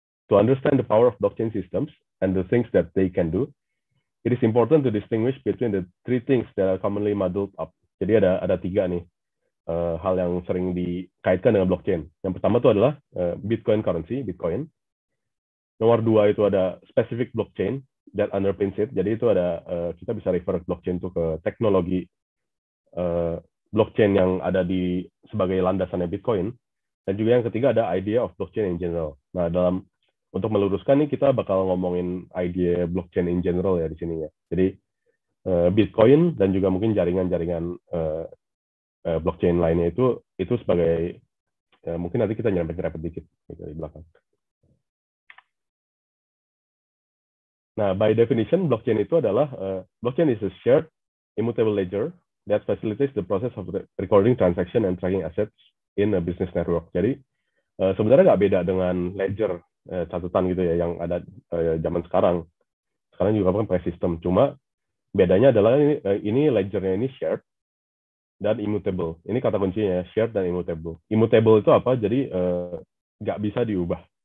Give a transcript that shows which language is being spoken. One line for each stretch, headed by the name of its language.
English: To understand the power of blockchain systems and the things that they can do, it is important to distinguish between the three things that are commonly muddled up.
Indonesian: Jadi ada tiga nih hal yang sering dikaitkan dengan blockchain. Yang pertama itu adalah Bitcoin currency, Bitcoin. Nomor dua itu ada
English: specific blockchain that underpins it.
Indonesian: Jadi itu ada kita bisa refer blockchain itu ke teknologi blockchain yang ada di sebagai landasannya Bitcoin, dan juga yang ketiga ada
English: idea of blockchain in general.
Indonesian: Nah, dalam untuk meluruskan nih, kita bakal ngomongin
English: idea blockchain in general
Indonesian: ya di sini ya. Jadi Bitcoin dan juga mungkin jaringan-jaringan blockchain lainnya itu sebagai mungkin nanti kita nyerempet-nyerempet dikit gitu di belakang.
English: Nah, by definition blockchain
Indonesian: itu adalah
English: blockchain is a shared immutable ledger that facilitates the process of recording transaction and tracking assets in a business network.
Indonesian: Jadi sebenarnya nggak beda dengan ledger catatan gitu ya yang ada zaman sekarang. Sekarang juga kan pakai sistem. Cuma bedanya adalah ini ledgernya ini shared dan immutable. Ini kata kuncinya, shared dan immutable. Immutable itu apa? Jadi nggak bisa diubah.